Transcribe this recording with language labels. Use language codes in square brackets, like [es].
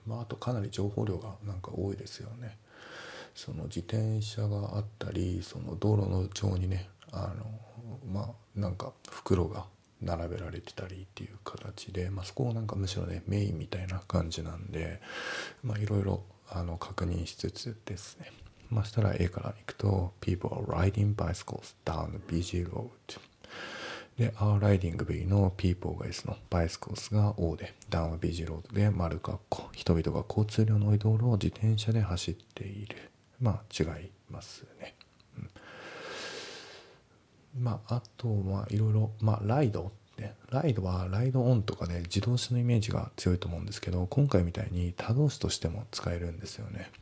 [ja] まああとかなり情報量がなんか多いですよね。その自転車があったり、その道路の上にね、まあなんか袋が並べられてたりっていう形で、まあそこをなんかむしろねメインみたいな感じなんで、まあいろいろ確認しつつですね。まあしたら A から行くと [en] People are riding bicycles down the busy road。 [ja] で、are riding B の people が S の bicycles が O で、down は busy road で丸括弧、人々が交通量の多い道路を自転車で走っている。まあ違いますね。うん、まああとはいろいろ、まあライドね、ライドはライドオンとかね、自動車のイメージが強いと思うんですけど、今回みたいに他動詞としても使えるんですよね。